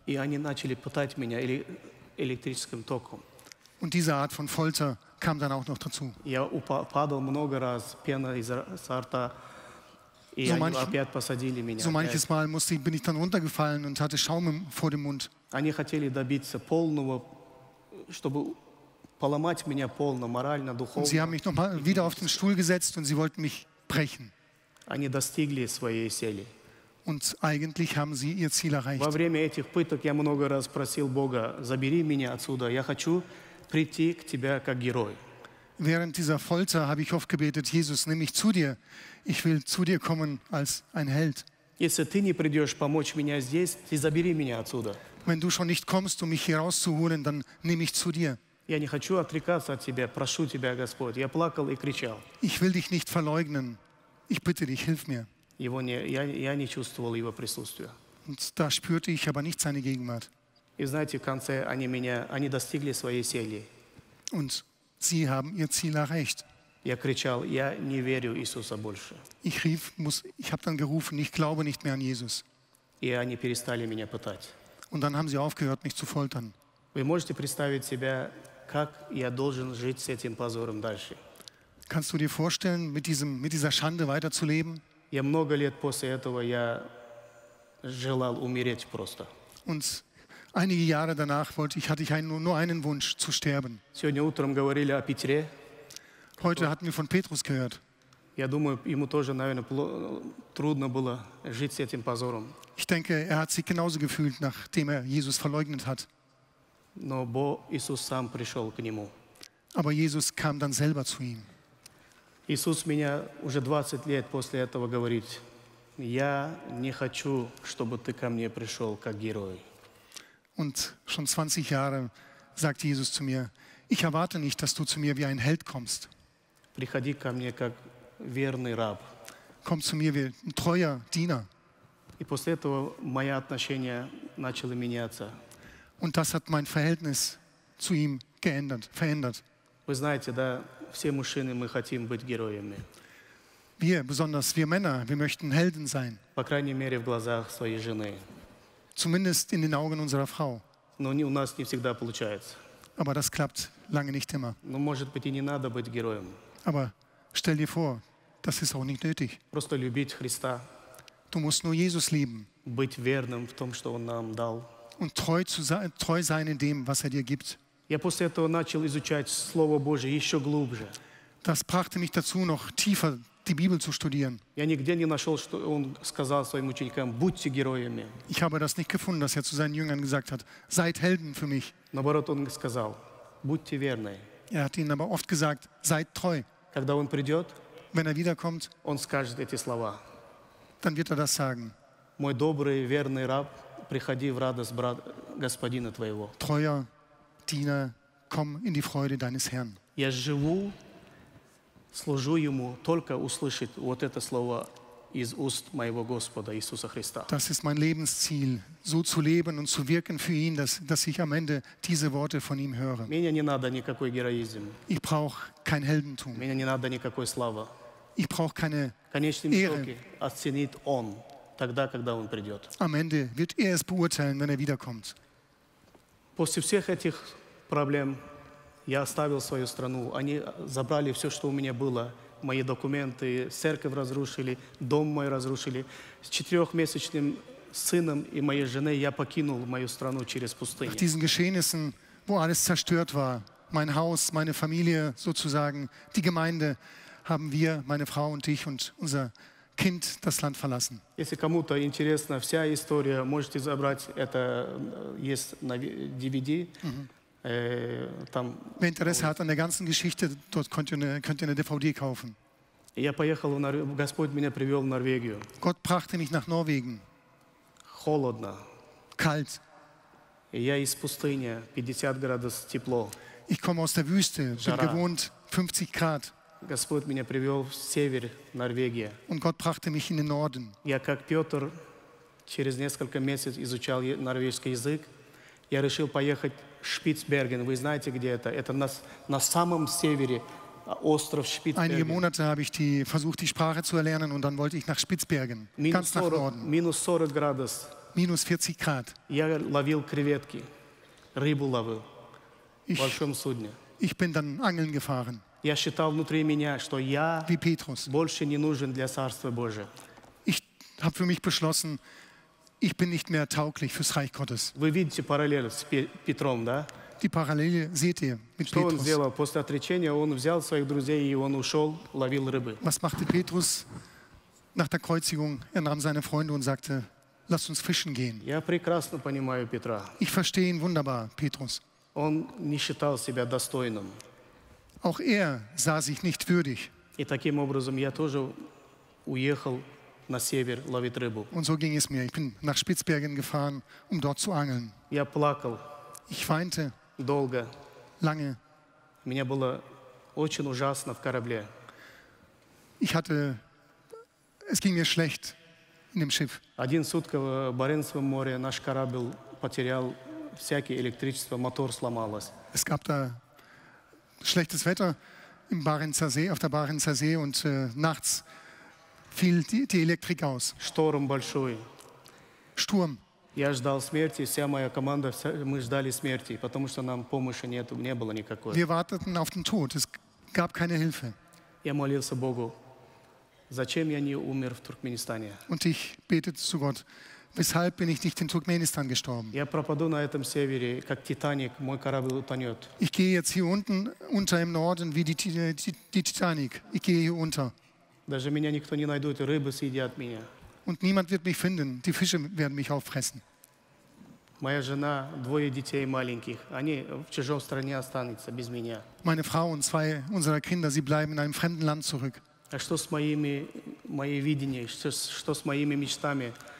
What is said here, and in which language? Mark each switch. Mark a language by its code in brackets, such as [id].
[ru] И они начали пытать меня электрическим током. [de] Und diese Art von Folter kam dann auch noch dazu. [ru] Я падал много раз, пена изо рта, и они опять посадили меня. [de] So manches Mal bin ich dann runtergefallen und hatte Schaum vor dem Mund. [ru] Они хотели добиться полного, чтобы поломать меня полно, морально, духовно. [de] Und sie haben mich noch mal wieder auf den Stuhl gesetzt und sie wollten mich brechen. [ru] Они достигли своей цели. [de] Und eigentlich haben sie ihr Ziel erreicht. [ru] Во время этих пыток я много раз просил Бога: забери меня отсюда, я хочу прийти к тебе как герой. [de] Während dieser Folter habe ich oft gebetet: Jesus, nimm mich zu dir. Ich will zu dir kommen als ein Held. [ru] Если ты не придешь помочь меня здесь, ты забери меня отсюда. [de] Wenn du schon nicht kommst, um mich hier rauszuholen, dann nimm mich zu dir. [ru] Я не хочу отрекаться от тебя, прошу тебя, Господь. Я плакал и кричал. [de] Ich will dich nicht verleugnen. Ich bitte dich, hilf mir. [ru] Его не, я не чувствовал его присутствия. [de] Und da spürte ich aber nicht seine Gegenwart. [ru] И знаете, в конце они достигли своей цели. [de] Und sie haben ihr Ziel erreicht. [ru] Я кричал: я не верю Иисуса больше. [de] Ich habe dann gerufen: ich glaube nicht mehr an Jesus. [ru] И они перестали меня пытать. [de] Und dann haben sie aufgehört, mich zu foltern. [ru] Вы можете представить себя, как я должен жить с этим позором дальше? [de] Kannst du dir vorstellen, mit dieser Schande weiterzuleben? [ru] Я много лет после этого я желал умереть просто. [de] Und einige Jahre danach hatte ich nur einen Wunsch, zu sterben. [ru] Сегодня утром говорили о Петре. [de] Heute hatten wir von Petrus gehört. [ru] Я думаю, ему тоже, наверное, трудно было жить с этим позором. [de] Ich denke, er hat sich genauso gefühlt, nachdem er Jesus verleugnet hat. [ru] Но Бог, Иисус сам пришел к нему. [de] Aber Jesus kam dann selber zu ihm. [ru] Иисус меня уже 20 лет после этого говорит: я не хочу, чтобы ты ко мне пришел как герой. [de] Und schon 20 Jahre sagt Jesus zu mir: ich erwarte nicht, dass du zu mir wie ein Held kommst. [ru] Приходи ко мне как верный раб. [de] Komm zu mir wie ein treuer Diener. [ru] И после этого мои отношения начали меняться. [de] Und das hat mein Verhältnis zu ihm verändert. [ru] Вы знаете, да, все мужчины, мы хотим быть героями. [de] Wir, besonders wir Männer, wir möchten Helden sein. [ru] По крайней мере, в глазах своей жены. [de] Zumindest in den Augen unserer Frau. [ru] Но у нас не всегда получается. [de] Aber das klappt lange nicht immer. [ru] Ну, может быть, и не надо быть героем. [de] Aber stell dir vor, das ist auch nicht nötig. [ru] Просто любить Христа. [de] Du musst nur Jesus lieben. [ru] Быть верным в том, что Он нам дал. [de] Und treu sein in dem, was er dir gibt. [ru] Я после этого начал изучать Слово Божие еще глубже. [de] Das brachte mich dazu, noch tiefer die Bibel zu studieren. [ru] Я нигде не нашел, что Он сказал своим ученикам: будьте героями. [de] Ich habe das nicht gefunden, dass er zu seinen Jüngern gesagt hat: seid Helden für mich. [ru] Наоборот, Он сказал: будьте верны. [de] Er hat ihnen aber oft gesagt: seid treu. [ru] Когда Он придет, [de] wenn er wiederkommt, [ru] Он скажет эти слова. [de] Dann wird er das sagen: [ru] мой добрый, верный раб, приходи в радость брат, господина твоего. [de] Treuer Diener, komm in die Freude deines Herrn. [ru] Я живу, служу ему, только услышать вот это слово из уст моего Господа Иисуса Христа. [de] Das ist mein Lebensziel, so zu leben und zu wirken für ihn, dass ich am Ende diese Worte von ihm höre. [ru] Мне не надо никакой героизм. [de] Ich brauche kein Heldentum. [ru] Мне не надо никакой славы. [de] Ich brauche keine [ru] конечном [de] Ehre. [ru] Итоге оценит Он тогда, когда Он придет. [de] Am Ende wird er es beurteilen, wenn er wiederkommt. [ru] После всех этих проблем я оставил свою страну. Они забрали все, что у меня было, мои документы, церковь разрушили, дом мой разрушили. С четырехмесячным сыном и моей женой я покинул мою страну через пустыню. [de] Nach diesen Geschehnissen, wo alles zerstört war, mein Haus, meine Familie sozusagen, die Gemeinde, haben wir, meine Frau und ich und unser Kind das Land verlassen. [ru] Если кому-то интересна вся история, можете забрать, это есть на DVD. [de] Wer Interesse hat an der ganzen Geschichte, dort könnt ihr eine DVD kaufen. [ru] Я поехал в Норвегию, Господь меня привел в Норвегию. [de] Gott brachte mich nach Norwegen. [ru] Холодно. [de] Kalt. [ru] Я из пустыни, 50 градусов тепло. [de] Ich komme aus der Wüste, bin gewohnt 50 Grad. [ru] Господь меня привел в север Норвегии. [de] Und Gott brachte mich in den Norden. [ru] Я как Петр через несколько месяцев изучал норвежский язык. Я решил поехать в Шпицберген. Вы знаете, где это? Это на самом севере остров Шпицберген. [de] Einige Monate habe ich versucht, die Sprache zu erlernen, und dann wollte ich nach Spitzbergen, ganz nach Norden. [ru] Минус 40 градусов. Минус 40 [de] Grad. [ru] Я ловил креветки, рыбу ловил в большом судне. [de] Ich bin dann angeln gefahren. [ru] Я считал внутри меня, что я [de] wie Petrus. [ru] Больше не нужен для Царства Божия. [de] Ich habe für mich beschlossen, ich bin nicht mehr tauglich fürs Reich Gottes. [ru] Вы видите параллель с Петром, да? [de] Die Parallele seht ihr mit [ru] что [de] Petrus. [ru] Он сделал после отречения? Он взял своих друзей и он ушел, ловил рыбы. [de] Was machte Petrus nach der Kreuzigung? Er nahm seine Freunde und sagte: Lass uns fischen gehen. [ru] Я прекрасно понимаю Петра. [de] Ich verstehe ihn wunderbar, Petrus. [ru] Он не считал себя достойным. [de] Auch er sah sich nicht würdig. [ru] И таким образом я тоже уехал на север ловить рыбу. [de] Und so ging es mir. Ich bin nach Spitzbergen gefahren, um dort zu angeln. [ru] Я плакал. [de] Ich weinte. [ru] Долго. [de] Lange. [ru] Мне было очень ужасно в корабле. [de] Ich hatte, es ging mir schlecht in dem Schiff. [ru] Один сутки в Баренцевом море наш корабль потерял всякое электричество, мотор сломалось. [de] Es gab da schlechtes Wetter im Barentser See, auf der Barentser See, und nachts fiel die Elektrik aus. [ru] Шторм большой. [de] Sturm. [ru] Я ждал смерти, вся моя команда, мы ждали смерти, потому что нам помощи нету, не было никакой. [de] Wir warteten auf den Tod, es gab keine Hilfe. [ru] Я молился Богу, зачем я не умер в Туркменистане? [de] Und ich betete zu Gott, weshalb bin ich nicht in Turkmenistan gestorben? [ru] Я пропаду на этом севере, как Титаник, мой корабль утонет. [de] Ich gehe jetzt hier unten unter im Norden wie die Titanic. Ich gehe hier unter. [ru] Даже меня никто не найдет, рыбы съедят меня. [de] Und niemand wird mich finden. Die Fische werden mich auffressen. [ru] Моя жена, двое детей маленьких, они в чужой стране останутся без меня. [de] Meine Frau und zwei unserer Kinder, sie bleiben in einem fremden Land zurück. [ru] А что с моим видением, что с моими мечтами?